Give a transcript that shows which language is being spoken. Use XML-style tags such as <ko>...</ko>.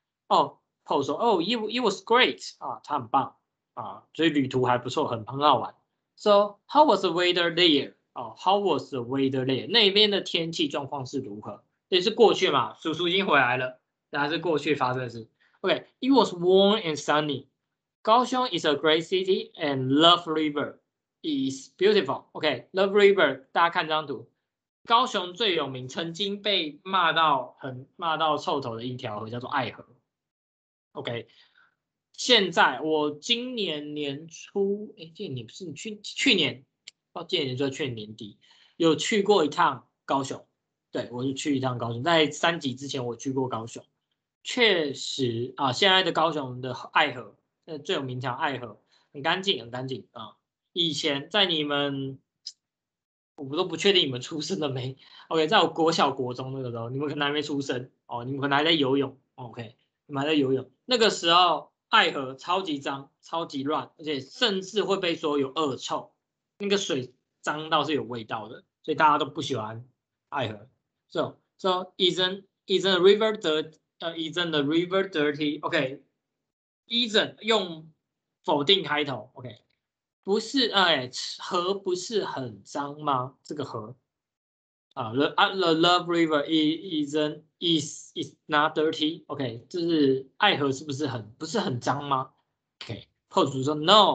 <zh>哦 ，Paul 说，哦 ，</zh> <en>it was great</en> <zh>啊，他很棒啊，所以旅途还不错，很好玩。</zh> <en>So how was the weather there？ 哦 ，How was the weather there？</en> <zh>那边的天气状况是如何？这是过去嘛？叔叔已经回来了，那还是过去发生的事。</zh> <en>OK, it was warm and sunny. Kaohsiung is a great city and Love River is beautiful.</en> <zh>OK, Love River, 大家看这张图。Kaohsiung最有名曾经被骂到臭头的一条河叫做爱河。 OK, 现在我今年年初去年底有去过一趟高雄。对，我是去一趟高雄，在三级之前我去过高雄。确实啊，现在的高雄的爱河，最有名叫爱河，很干净啊。以前在你们，我都不确定你们出生了没。 OK， 在我国小国中那个时候，你们可能还没出生哦，你们可能还在游泳。 OK， 你们还在游泳。那个时候爱河超级脏、超级乱，而且甚至会被说有恶臭，那个水脏到是有味道的，所以大家都不喜欢爱河。</zh> <en>So isn't the river the isn't the river dirty?</en> <zh>OK, isn't 用否定开头。 OK, 不是哎，河不是很脏吗？这个河啊、</zh> <en>the Love River is not dirty.</en> <zh>OK, 就是爱河是不是很脏吗 ？OK, 破主说 no。</zh>